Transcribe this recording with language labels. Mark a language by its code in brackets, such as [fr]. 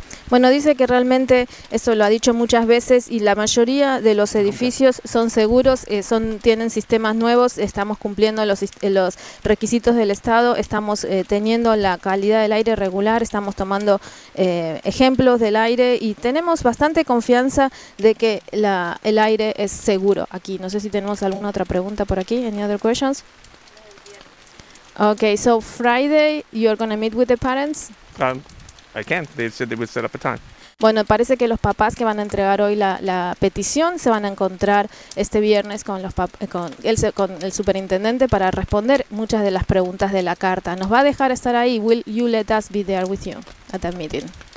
[es] Bueno, dice que realmente eso lo ha dicho muchas veces y la mayoría de los edificios son seguros, tienen sistemas nuevos, estamos cumpliendo los requisitos del Estado, estamos teniendo la calidad del aire regular, estamos tomando ejemplos del aire y tenemos bastante confianza de que el aire es seguro aquí. No sé si tenemos alguna otra pregunta por aquí. [en] Any other questions? Okay, so Friday you're going to meet with the parents? I can. They said they would set up a time. [es] Bueno, parece que los papás que van a entregar hoy la petición se van a encontrar este viernes con el superintendente para responder muchas de las preguntas de la carta. ¿Nos va a dejar estar ahí? [en] Will you let us be there with you at that meeting?